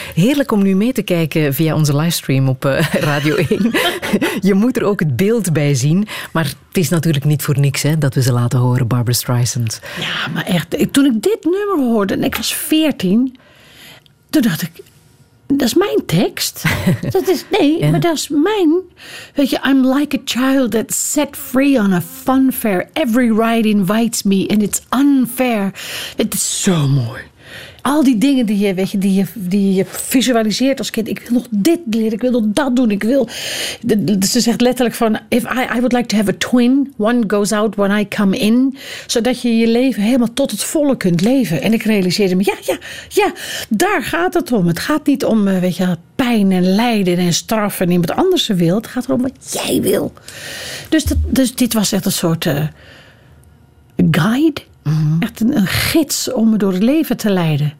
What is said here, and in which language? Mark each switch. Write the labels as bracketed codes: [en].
[nl] Heerlijk om nu mee te kijken via onze livestream op Radio 1. Je moet er ook het beeld bij zien. Maar het is natuurlijk niet voor niks hè, dat we ze laten horen, Barbra Streisand. Ja, maar echt. Toen ik dit nummer hoorde en ik was 14, toen dacht ik... Dat is mijn tekst. Dat is, nee, ja. Maar dat is mijn. Weet je, [en] I'm like a child that's set free on a fun fair. Every ride invites me and it's unfair. [nl] Het is zo mooi. Al die dingen die je, weet je, die je visualiseert als kind. Ik wil nog dit leren, ik wil nog dat doen. Ik wil. Ze zegt letterlijk van, [en] if I would like to have a twin. One goes out when I come in. [nl] Zodat je je leven helemaal tot het volle kunt leven. En ik realiseerde me, ja, daar gaat het om. Het gaat niet om, weet je, pijn en lijden en straffen en iemand anders wil. Het gaat erom wat jij wil. Dus dit was echt een soort guide. Echt een gids om me door het leven te leiden.